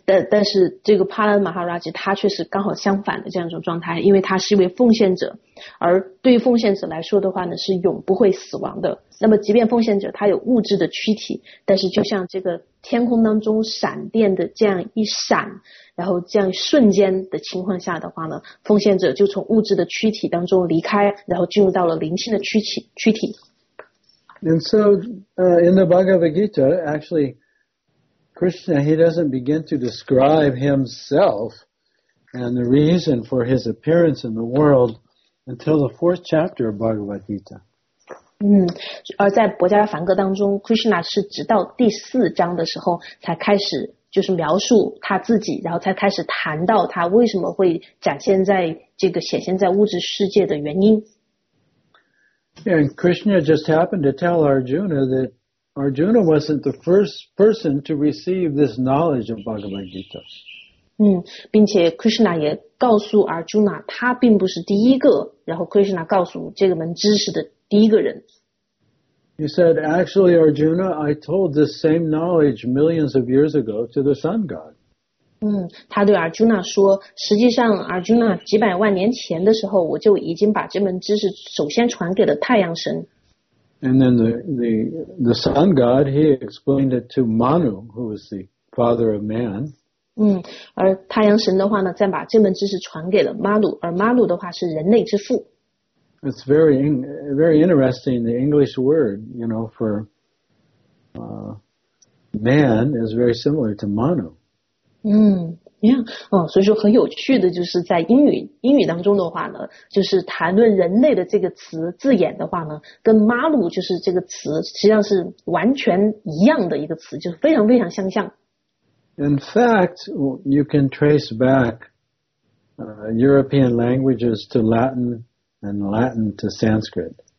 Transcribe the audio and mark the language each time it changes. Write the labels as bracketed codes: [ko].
[zh] 但是这个帕拉马哈拉吉他却是刚好相反的这样一种状态，因为他是一位奉献者，而对于奉献者来说的话呢是永不会死亡的。那么即便奉献者他有物质的躯体，但是就像这个天空当中闪电的这样一闪，然后这样瞬间的情况下的话呢，奉献者就从物质的躯体当中离开，然后进入到了灵性的躯体。 [en] And so in the Bhagavad Gita, actually,Krishna, he doesn't begin to describe himself and the reason for his appearance in the world until the fourth chapter of Bhagavad Gita. [zh] 而在《薄伽梵歌》当中 ，Krishna 是直到第四章的时候才开始就是描述他自己，然后才开始谈到他为什么会显现在物质世界的原因。 [en] And Krishna just happened to tell Arjuna that. Arjuna wasn't the first person to receive this knowledge of Bhagavad Gita. [zh] 并且 Krishna 也告诉 Arjuna, 他并不是第一个，然后 Krishna 告诉这个门知识的第一个人。 [en] He said, actually, Arjuna, I told this same knowledge millions of years ago to the sun god. [zh] 他对 Arjuna 说，实际上 Arjuna 几百万年前的时候，我就已经把这门知识首先传给了太阳神。 [en] And then the sun god, he explained it to Manu, who was the father of man. [zh] 而太阳神的话呢，再把这门知识传给了 Manu, 而 Manu 的话是人类之父。 [en] It's very, very interesting. The English word, you know, for man is very similar to Manu. [zh] Yeah, 所以说很有趣的就是在英语当中的话呢，就是谈论人类的这个词字眼的话呢，跟 Malu 就是这个词实际上是完全一样的一个词，就是非常非常相像。 [en] In fact, you can trace back, European languages to Latin and Latin to Sanskrit.